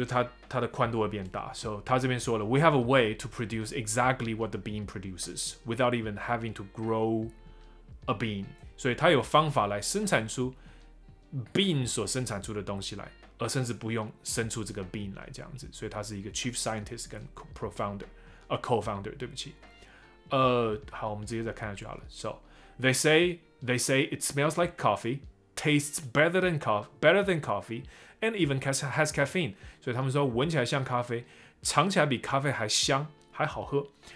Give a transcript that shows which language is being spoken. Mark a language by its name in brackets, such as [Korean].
[Chinese] 就是它的宽度会变大。所以他这边说了 [English] ，We have a way to produce exactly what the bean produces without even having to grow a bean。 [Chinese] 所以他有方法来生产出 bean 所生产出的东西来，而甚至不用生出这个 bean 来这样子。所以他是一个 chief scientist 跟 co-founder， 对不起。好，我们直接再看下去好了。 [English] So, they say it smells like coffee, tastes better than coffee, and even has caffeine. [Chinese] 所以他们说闻起来像咖啡，尝起来比咖啡还香，还好喝。